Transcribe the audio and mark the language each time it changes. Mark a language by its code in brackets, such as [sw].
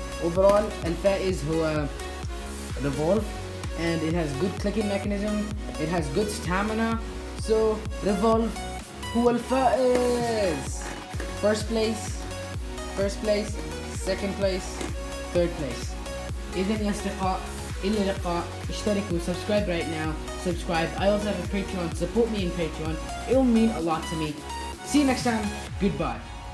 [en] Overall, [ar] الفائز هو [en] Revolve, and it has good clicking mechanism, it has good stamina, so Revolve [ar] هو الفائز. [en] First place, second place, third place. [ar] إذن يا أصدقاء, إلى اللقاء, اشتركوا, [en] subscribe right now, subscribe. I also have a Patreon, support me in Patreon, it will mean a lot to me. See you next time, goodbye.